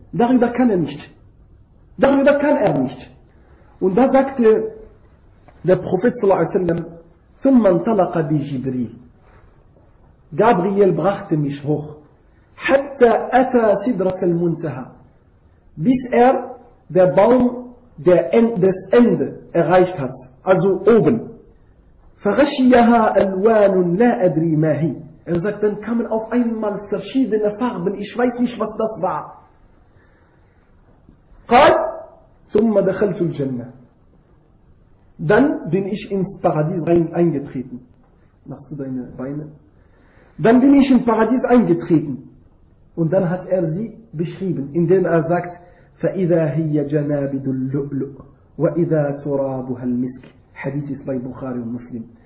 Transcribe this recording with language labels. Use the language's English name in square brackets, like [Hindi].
[German] Darüber kann er nicht. Darüber kann er nicht. Und da sagte der Prophet sallallahu alaihi wasallam, [Arabic] ثم انطلق بي جبريل. [German] Gabriel brachte mich hoch. [Arabic] حتى أتى سدرة المنتهى. [German] Bis er der Baum des Ende erreicht hat. Also oben. [Arabic] فغشيها ألوان لا أدري ما هي. [German] Er sagt, dann kamen auf einmal verschiedene Farben. Ich weiß nicht, was das war. [Arabic] قال ثم دخلت الجنة. [German] Dann bin ich ins Paradies eingetreten. Machst du deine Beine? Dann bin ich ins Paradies eingetreten. Und dann hat er sie beschrieben, indem er sagt, [Arabic] فَإِذَا هِيَّ جَنَابِدُ اللُّؤْلُؤْ وَإِذَا تُرَابُهَا الْمِسْكِ [German] Hadith ist bei Bukhari und Muslim.